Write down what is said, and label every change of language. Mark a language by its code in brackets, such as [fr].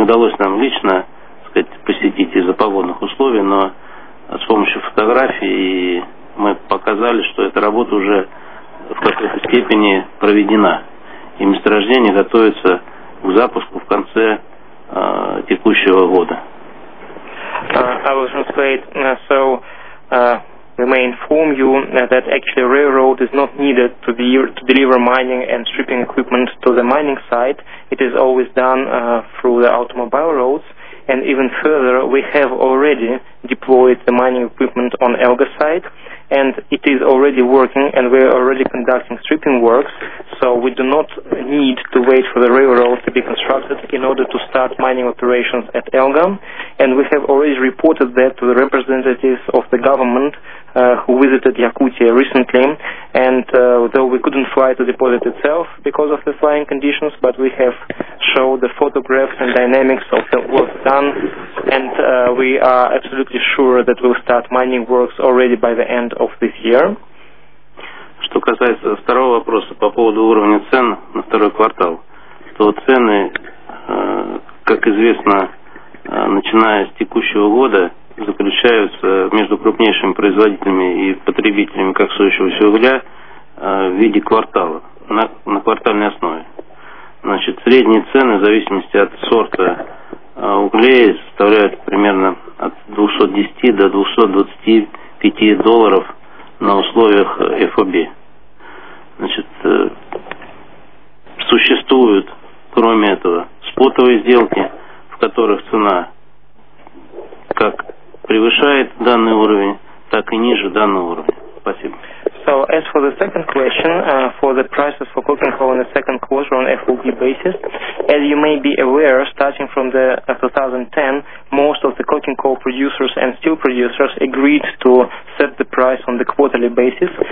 [ru] Не удалось нам лично, так сказать, посетить из-за погодных условий, но с помощью фотографий мы показали, что эта работа уже в какой-то степени проведена. И месторождение готовится к запуску в конце текущего года. [en] We may inform you that actually railroad is not needed to deliver mining and stripping equipment to the mining site. It is always done through the automobile roads. And even further, we have already deployed the mining equipment on ELGA site, and it is already working, and we are already conducting stripping works, so we do not need to wait for the railroad to be constructed in order to start mining operations at ELGA. And we have already reported that to the representatives of the government who visited Yakutia recently, and though we couldn't fly to the deposit itself because of the flying conditions, but we have shown the photographs and dynamics of the work done, and we are absolutely sure that we'll start mining works already by the end of this year. [ru] Что касается второго вопроса по поводу уровня цен на второй квартал, то цены, как известно, начиная с текущего года, заключаются между крупнейшими производителями и потребителями коксующегося угля в виде квартала, на квартальной основе. Значит, средние цены в зависимости от сорта углей составляют примерно от $210 to $225 на условиях FOB. Значит, существуют, кроме этого, спотовые сделки, в которых цена как превышает данный уровень, так и ниже данного уровня. Спасибо. [en] So as for the second question, for the prices for coking coal in the second quarter on FOB basis, as you may be aware, starting from the 2010, most of the coking coal producers and steel producers agreed to set the price on the quarterly basis.